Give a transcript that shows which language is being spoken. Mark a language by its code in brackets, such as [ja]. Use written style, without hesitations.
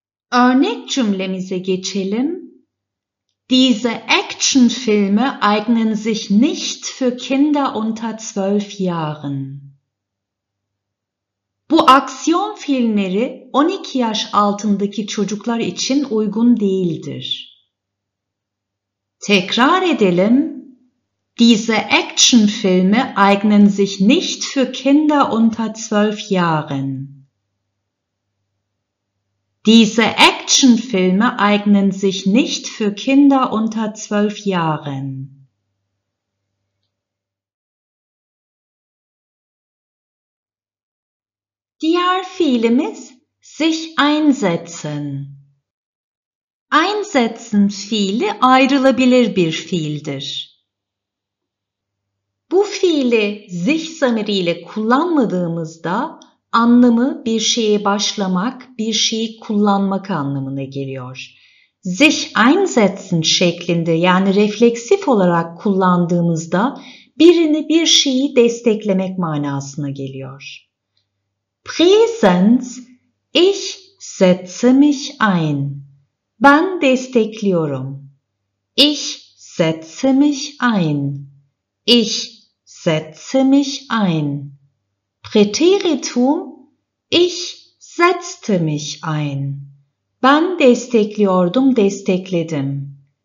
[tr] Örnek cümlemize geçelim. [de] Diese Actionfilme eignen sich nicht für Kinder unter 12 Jahren. [tr] Bu aksiyon filmleri 12 yaş altındaki çocuklar için uygun değildir. Tekrar edelim. [de] Diese Actionfilme eignen sich nicht für Kinder unter 12 Jahren. Diese Actionfilme eignen sich nicht für Kinder unter 12 Jahren. [tr] Diğer fiilimiz sich einsetzen. Einsetzen fiili ayrılabilir bir fiildir. Bu fiili sich zamiriyle kullanmadığımızda anlamı bir şeye başlamak, bir şeyi kullanmak anlamına geliyor. Sich einsetzen şeklinde yani refleksif olarak kullandığımızda birini bir şeyi desteklemek manasına geliyor. [de] Präsenz, ich setze mich ein. [tr] Ben destekliyorum. [de] Ich setze mich ein. Ich setze mich ein. Präteritum, ich setzte mich ein. [tr] Ben destekliyordum, destekledim.